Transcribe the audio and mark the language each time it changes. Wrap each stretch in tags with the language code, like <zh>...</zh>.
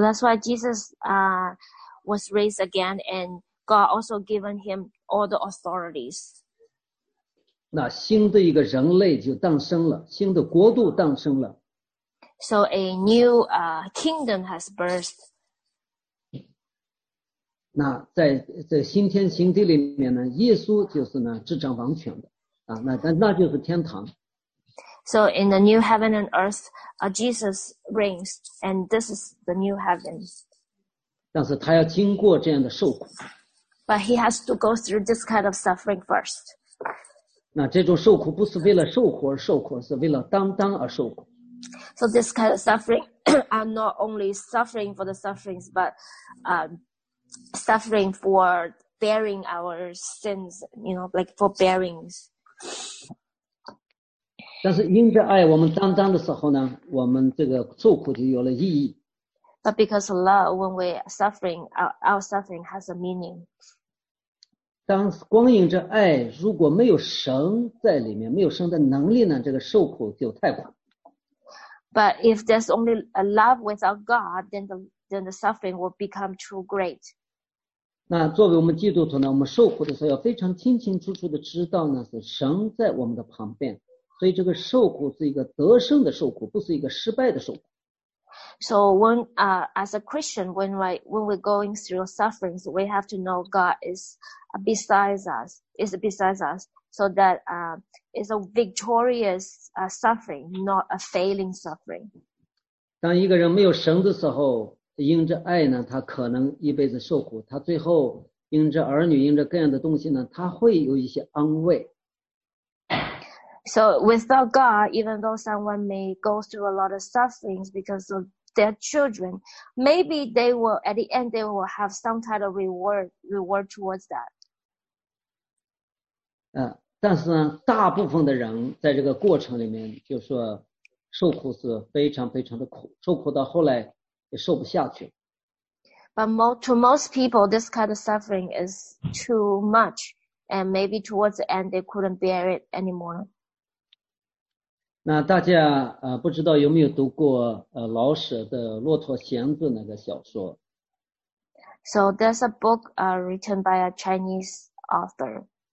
<en>that's why Jesus was raised again, and God also given him all the authorities.</en> <zh>那新的一个人类就诞生了，新的国度诞生了。So</zh> <en>a new kingdom has birthed.</en> <zh>那在这新天新地里面呢，耶稣就是呢执掌王权的，那就是天堂。So</zh> <en>in the new heaven and earth, Jesus reigns, and this is the new heaven.</en> <zh>但是他要经过这样的受苦。But</zh> <en>he has to go through this kind of suffering first.</en> <zh>那这种受苦不是为了受苦而受苦，是为了担当而受苦。So</zh> <en>this kind of suffering, I'm not only suffering for the sufferings, but suffering for bearing our sins, you know, like for bearings.</en> <zh>但是因着爱我们担当的时候呢，我们这个受苦就有了意义。</zh> <en>But because love, when we are suffering, our suffering has a meaning.</en> <zh>当光因着爱，如果没有神在里面，没有神的能力呢，这个受苦就太苦。</zh> <en>But if there's only a love without God, then the suffering will become too great.</en> <zh>那作为我们基督徒呢，我们受苦的时候要非常清清楚楚的知道呢，是神在我们的旁边，所以这个受苦是一个得胜的受苦，不是一个失败的受苦。</zh> <en>So when, as a Christian, when we're going through sufferings, we have to know God is beside us, so that, it's a victorious, suffering, not a failing suffering.</en> <zh>当一个人没有神的时候，因着爱呢，他可能一辈子受苦，他最后因着儿女，因着各样的东西呢，他会有一些安慰。</zh> <en>So without God, even though someone may go through a lot of sufferings because of their children, maybe they will, at the end, they will have some type of reward towards that.</en> <zh>但是呢，大部分的人在这个过程里面，就说受苦是非常非常的苦，受苦到后来也受不下去。</zh> <en>But to most people, this kind of suffering is too much, and maybe towards the end, they couldn't bear it anymore.</en> <zh>那大家不知道有没有读过老舍的《骆驼祥子》那个小说</zh> <en>？So there's a book written by a Chinese author.</en>